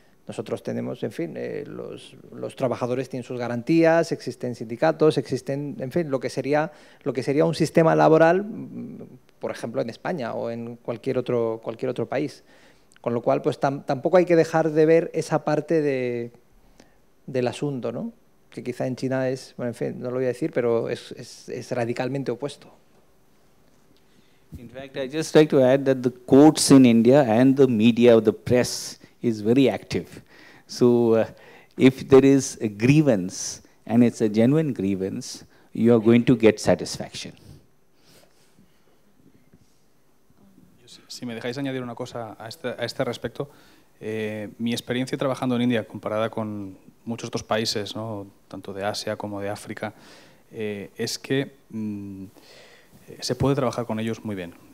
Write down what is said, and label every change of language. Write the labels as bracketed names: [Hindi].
[Spanish] Nosotros tenemos, en fin, los trabajadores tienen sus garantías, existen sindicatos, existen, en fin, lo que sería un sistema laboral, por ejemplo, en España o en cualquier otro país. Con lo cual, pues tampoco hay que dejar de ver esa parte del asunto, ¿no? Que quizá en China es, bueno, en fin, no lo voy a decir, pero es radicalmente opuesto. [English] In fact, I just like to add that the courts in India and the media or the press is very active. So if there is a grievance and it's a genuine grievance, you are going to get satisfaction. [Spanish] Si me dejáis añadir una cosa a este respecto, mi experiencia trabajando en India comparada con muchos otros países, ¿no?, tanto de Asia como de África, es que se puede trabajar con ellos muy bien.